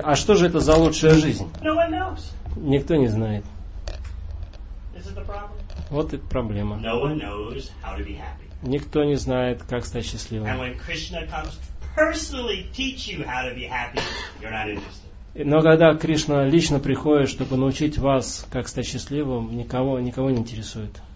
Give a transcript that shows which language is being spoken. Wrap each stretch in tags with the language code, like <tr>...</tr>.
<ru>А что же это за лучшая жизнь?</ru> <en>No one knows.</en> <ru>Никто не знает.</ru> <en>Is it the problem?</en> <ru>Вот и проблема.</ru> <en>No one knows how to be happy.</en> <ru>Никто не знает, как стать счастливым.</ru> <en>And when Krishna comes to personally teach you how to be happy, you're not interested.</en> <ru>Но когда Кришна лично приходит, чтобы научить вас, как стать счастливым, никого не интересует.</ru>